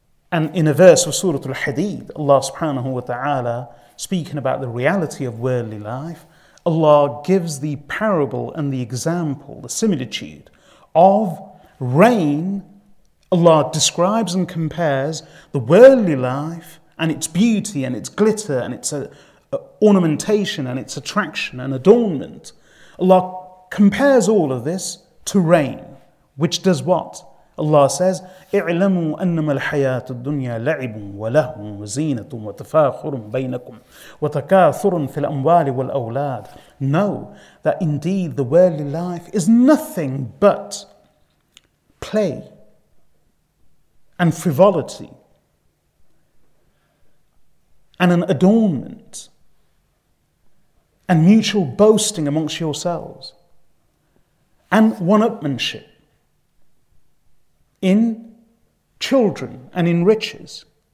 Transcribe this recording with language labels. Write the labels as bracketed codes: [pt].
[en] And in a verse of Surah Al-Hadid, Allah subhanahu wa ta'ala, speaking about the reality of worldly life, Allah gives the parable and the example, the similitude of rain. Allah describes and compares the worldly life and its beauty and its glitter and its ornamentation and its attraction and adornment. Allah compares all of this to rain, which does what? Allah says, [ar] اعلموا أنما الحياة الدنيا لعب ولهو وزينة وتفاخر بينكم وتكاثر في الأموال والأولاد. [en] Know that indeed the worldly life is nothing but play and frivolity and an adornment and mutual boasting amongst yourselves and one-upmanship in children and in riches.